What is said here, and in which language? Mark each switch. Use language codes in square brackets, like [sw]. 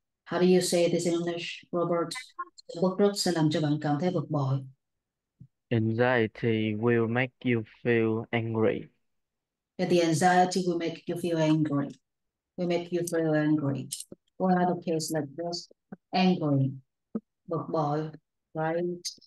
[en] How do you say this in English, Robert? [vi] Sự bức rứt sẽ làm cho bạn cảm thấy bực bội. [en] Anxiety will make you feel angry. And the anxiety will make you feel angry. Will make you feel angry. What are the cases like this? Angry. [vi] Bực bội. [en] Right?